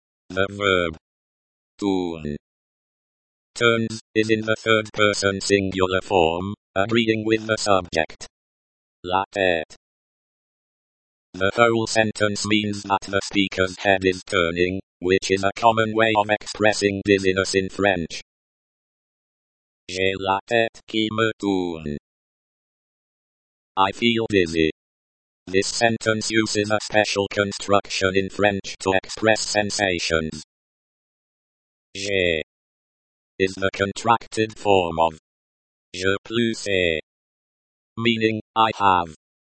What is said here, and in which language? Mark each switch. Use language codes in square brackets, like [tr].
[en] The verb tourne turns is in the third person singular form, agreeing with the subject. La tête. The whole sentence means that the speaker's head is turning, which is a common way of expressing dizziness in French. [fr] J'ai la tête qui me tourne. [en] I feel dizzy. This sentence uses a special construction in French to express sensations. J'ai is the contracted form of je plus ai, meaning I have.